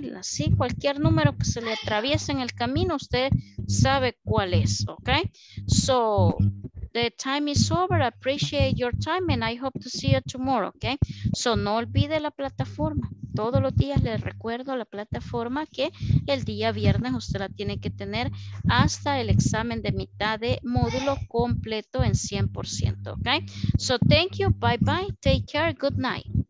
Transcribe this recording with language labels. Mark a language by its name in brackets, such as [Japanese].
[Spanish] Así cualquier número que se le atraviese en el camino, usted sabe cuál es, ¿ok? [English] So the time is over. I appreciate your time and I hope to see you tomorrow, ¿ok? [Spanish] So no olvide la plataforma. Todos los días les recuerdo la plataforma que el día viernes usted la tiene que tener hasta el examen de mitad de módulo completo en 100%, ¿ok? [English] So thank you, bye bye, take care, good night.